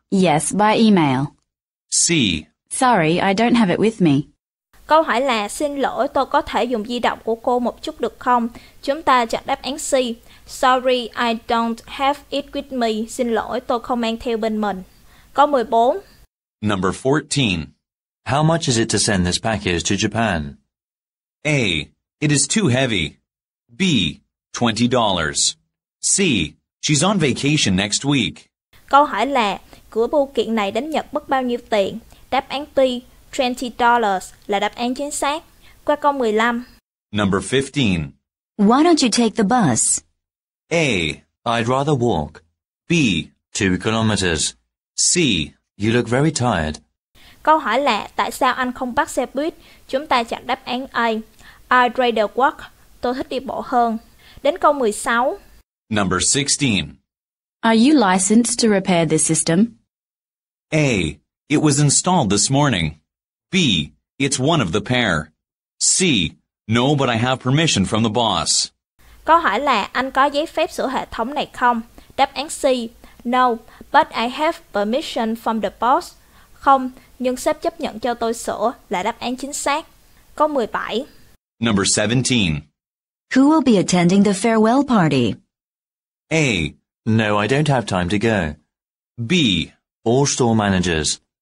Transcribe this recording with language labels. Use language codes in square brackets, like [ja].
[en] Yes, by email. C. Sorry, I don't have it with me. [vi] Câu hỏi là xin lỗi, tôi có thể dùng di động của cô một chút được không? Chúng ta chọn đáp án C. [en] Sorry, I don't have it with me. [vi] Xin lỗi, tôi không mang theo bên mình. Câu 14. [en] Number 14. How much is it to send this package to Japan? A. It is too heavy. B. $20. C. She's on vacation next week. [vi] Câu hỏi là, gửi bưu kiện này đến Nhật mất bao nhiêu tiền? Đáp án B, $20 là đáp án chính xác. Qua câu 15. [en] Number 15. Why don't you take the bus? A. I'd rather walk. B. 2 kilometers. C. You look very tired. [vi] Câu hỏi là, tại sao anh không bắt xe buýt? Chúng ta chọn đáp án A. [en] I'd rather walk. [vi] Tôi thích đi bộ hơn. Đến câu 16. [en] Number 16. Are you licensed to repair this system? A. It was installed this morning. B. It's one of the pair. C. No, but I have permission from the boss. [vi] Câu hỏi là anh có giấy phép sửa hệ thống này không? Đáp án C. [en] No, but I have permission from the boss. [vi] Không, nhưng sếp chấp nhận cho tôi sửa là đáp án chính xác. Câu 17. [en] Number 17. Who will be attending the farewell party? A. No, I don't have time to go. B. All store managers.